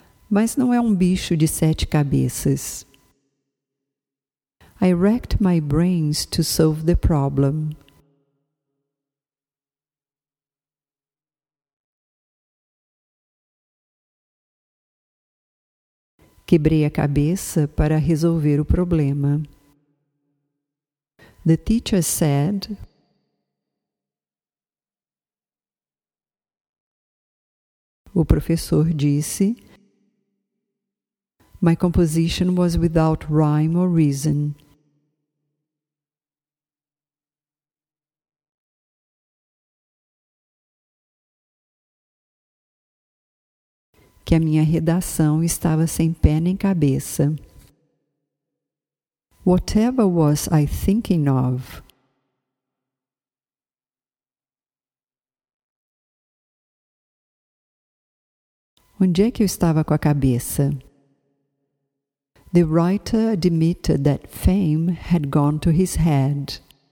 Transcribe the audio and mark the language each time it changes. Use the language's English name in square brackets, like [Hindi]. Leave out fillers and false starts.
[Portuguese] Mas não é um bicho de sete cabeças. [English] I racked my brains to solve the problem. [Portuguese] Quebrei a cabeça para resolver o problema. [English] The teacher said, [Portuguese] o professor disse, [English] my composition was without rhyme or reason. [Portuguese] Que a minha redação estava sem pé nem cabeça. [English] Whatever was I thinking of? [Portuguese] Onde é que eu estava com a cabeça? [English] The writer admitted that fame had gone to his head.